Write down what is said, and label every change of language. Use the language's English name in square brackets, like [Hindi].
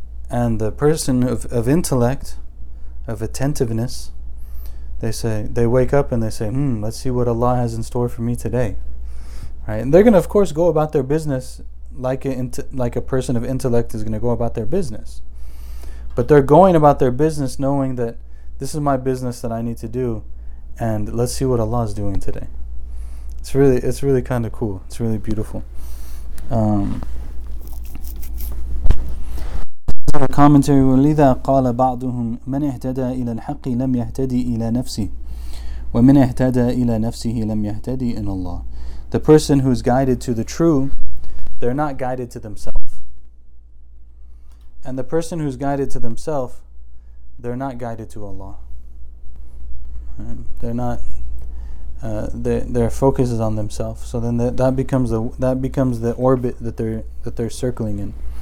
[English] And the person of intellect, of attentiveness, they wake up and they say, let's see what Allah has in store for me today. Right? And they're going to, of course, go about their business like a person of intellect is going to go about their business. But they're going about their business knowing that this is my business that I need to do, and let's see what Allah is doing today. It's really kind of cool. It's really beautiful. In the commentary, [Arabic] وَلِذَا قَالَ بَعْضُهُمْ مَنْ اِهْتَدَى إِلَى الْحَقِّ لَمْ يَهْتَدِي إِلَى نَفْسِهِ وَمَنْ اِهْتَدَى إِلَى نَفْسِهِ لَمْ يَهْتَدِي إِلَى اللَّهِ. [English] The person who's guided to the true, they're not guided to themselves. And the person who's guided to themselves, they're not guided to Allah. And they're not. Their focus is on themselves. So then that becomes the orbit that they're circling in.